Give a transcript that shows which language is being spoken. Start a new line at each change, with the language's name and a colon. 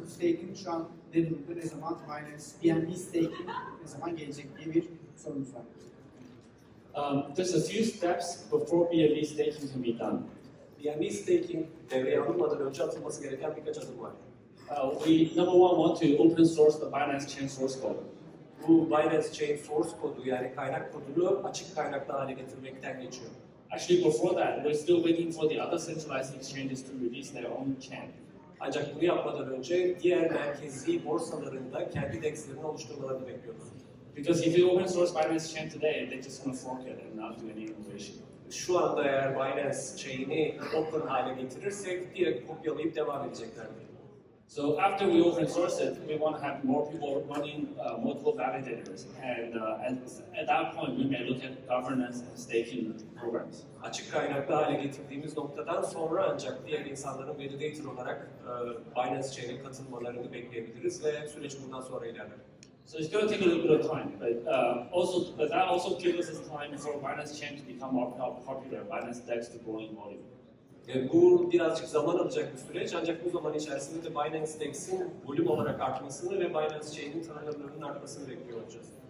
Turkish: Bu staking şu an ne durumda, ne zaman Binance, BNB staking ne zaman gelecek diye bir sorumuz var.
English: There's a few steps before BNB staking can be done.
Turkish: BNB staking devreye alınmadan önce atılması gereken birkaç adım var.
English: We number one want to open source the Binance chain source code.
Turkish: bu Binance Chain Force kodu yani kaynak kodunu açık kaynaklı hale getirmekten geçiyor.
English: Actually before that, we're still waiting for the other centralized exchanges to release their own chain.
Turkish: Ancak bunu yapmadan önce diğer merkezi borsalarında kendi dexlerini oluşturmalarını bekliyoruz.
English: Because if you open source Binance Chain today, they're just gonna fork it and not do any innovation.
Turkish: Şu anda eğer Binance Chain'i open hale getirirsek direkt kopyalayıp devam edeceklerdir.
English: So after we open source it, we want to have more people running multiple validators, and at that point we may look at governance and staking programs.
Turkish: Açık kaynaklı hale getirdiğimiz noktadan sonra ancak diğer insanların validator olarak Binance Chain'e katılmalarını bekleyebiliriz ve süreç bundan sonra ilerler.
English: So it's going to take a little bit of time, but also but that also gives us time for Binance Chain to become more popular, Binance DEX to grow in volume.
Turkish: Bu birazcık zaman alacak bir süreç ancak bu zaman içerisinde de Binance DEX'in volüm olarak artmasını ve Binance Chain'in tanınırlığının artmasını bekliyor olacağız.